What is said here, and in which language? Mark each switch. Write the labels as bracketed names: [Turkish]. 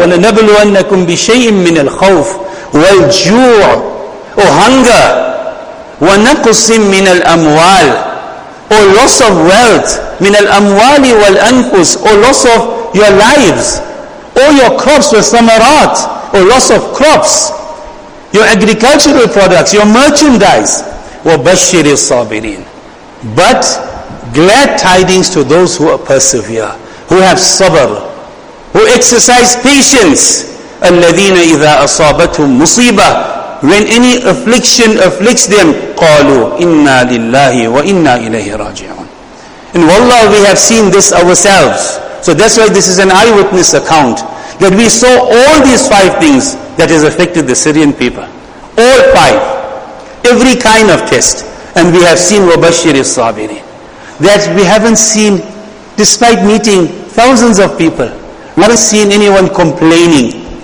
[Arabic] وَلَنَبْلُوَنَّكُمْ بِشَيْءٍ مِّنَ الْخَوْفِ وَالْجُوعِ, [English] or hunger, [Arabic] وَنَقُصٍ مِّنَ الْأَمْوَالِ, [English] or loss of wealth, [Arabic] مِّنَ الْأَمْوَالِ وَالْأَنْفُسِ, [English] or loss of your lives, or your crops, [Arabic] وَالثَّمَرَاتِ, [English] or loss of crops, your agricultural products, your merchandise, [Arabic] وَبَشِّرِ الصَّابِرِينَ, [English] but glad tidings to those who are persevere, who have sabr, who exercise patience. [Arabic] الَّذِينَ إِذَا أَصَابَتْهُمْ مُصِيبَةٌ, [English] when any affliction afflicts them, [Arabic] قَالُوا إِنَّا لِلَّهِ وَإِنَّا إِلَيْهِ رَاجِعُونَ. [English] And wallah, we have seen this ourselves. So that's why this is an eyewitness account, that we saw all these five things that has affected the Syrian people. All five. Every kind of test. And we have seen [Arabic] وَبَشِّرِ الصَّابِرِينَ, [English] that we haven't seen, despite meeting thousands of people, we haven't seen anyone complaining.